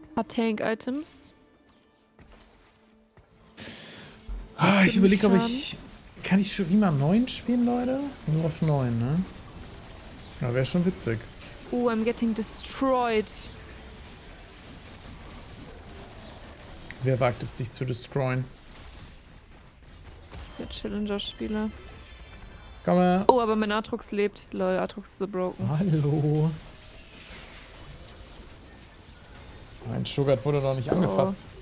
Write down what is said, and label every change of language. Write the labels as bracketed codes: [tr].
[de] Tank-Items. Ah, ich überlege, ob ich... Kann ich Shurima 9 spielen, Leute? Nur auf 9, ne? Ja, wäre schon witzig. [en] Oh, I'm getting destroyed. [de] Wer wagt es, dich zu destroyen? Ja, Challenger spiele. Komm her. Oh, aber mein Atrox lebt. Lol, Atrox ist so broken. Hallo. Mein Sugard wurde noch nicht angefasst.